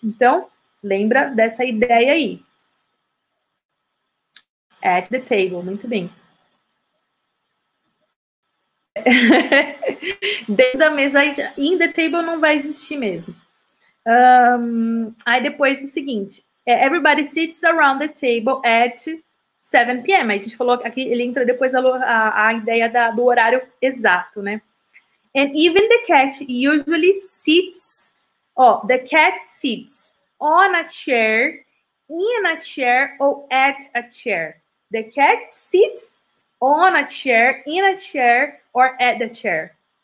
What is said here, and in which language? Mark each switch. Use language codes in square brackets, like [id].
[pt] Então, lembra dessa ideia aí. [en] At the table, [pt] muito bem. Dentro da mesa, [en] in the table [pt] não vai existir mesmo. Aí depois é o seguinte. [en] Everybody sits around the table at 7 p.m. [pt] A gente falou aqui, ele entra depois a ideia do horário exato, né? [en] And even the cat usually sits. Oh, the cat sits on a chair, in a chair, or at a chair. The cat sits on a chair, in a chair, or at the chair.